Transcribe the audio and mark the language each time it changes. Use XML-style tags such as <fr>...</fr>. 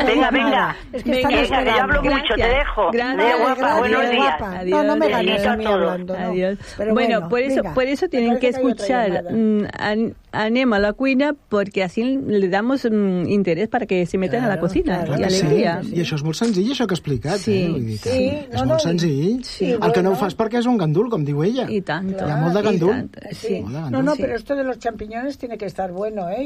<es>Venga. Es que yo hablo mucho, te dejo. Gracias. Guapa, buenos días. Guapa. Adiós. No me ganes. Adiós. Hablando, no. Adiós. Bueno, por eso, venga. Por eso tienen que escuchar Anema la cuina, porque así le damos interés para que se metan claro, a la cocina. Claro,</es> <ca>i sí, alegria. I això és molt senzill, això que ha explicat. Sí, és molt senzill. Sí, el que no ho fas perquè és un gandul, com diu ella. I tant. Hi ha molt de gandul.</ca> <es>No, però esto de los champiñones tiene que estar bueno, ¿eh?</es>